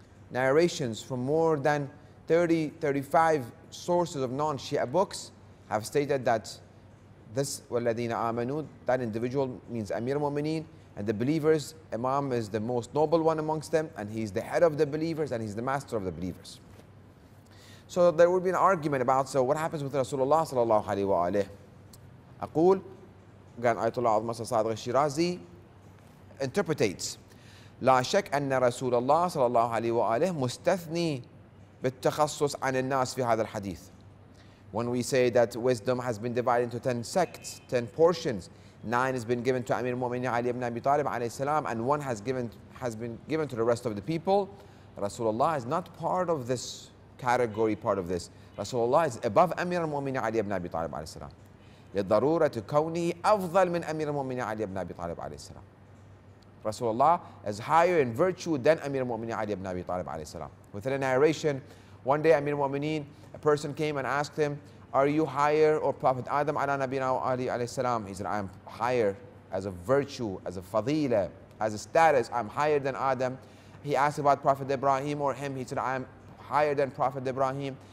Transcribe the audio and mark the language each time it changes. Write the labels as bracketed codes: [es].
[en] narrations from more than 30, 35 sources of non-Shia books have stated that this [ar] وَالَّذِينَ آمَنُوا, [en] that individual means Amir al-Mu'mineen, and the believers, Imam is the most noble one amongst them, and he's the head of the believers, and he's the master of the believers. So there would be an argument about, so what happens with Rasulullah sallallahu alayhi wa alayhi? [ar] أقول, [en] again, Ayatollah Azma Sadiq al-Shirazi interpretates, [ar] لا شك أن رسول الله صلى الله عليه وآله مستثني بالتخصص عن الناس في هذا الحديث. [en] When we say that wisdom has been divided into 10 sects, 10 portions, 9 has been given to Amir al-Mu'mineen Ali ibn Abi Talib alayhi salam, and 1 has been given to the rest of the people, Rasulullah is not part of this category, part of this. Rasulullah is above Amir al-Mu'mineen Ali ibn Abi Talib alayhi salam. [ar] للضرورة كونه أفضل من أمير المؤمنين علي بن أبي طالب عليه السلام. [en] رسول الله is higher in virtue than [ar] أمير المؤمنين علي بن أبي طالب عليه السلام. [en] Within a narration, one day أمير المؤمنين, a person came and asked him, are you higher or Prophet Adam [ar] على نبينا علي عليه السلام? [en] He said, I am higher as a virtue, as a فضيلة, as a status, I'm higher than Adam. He asked about Prophet Ibrahim or him. He said, I am higher than Prophet Ibrahim.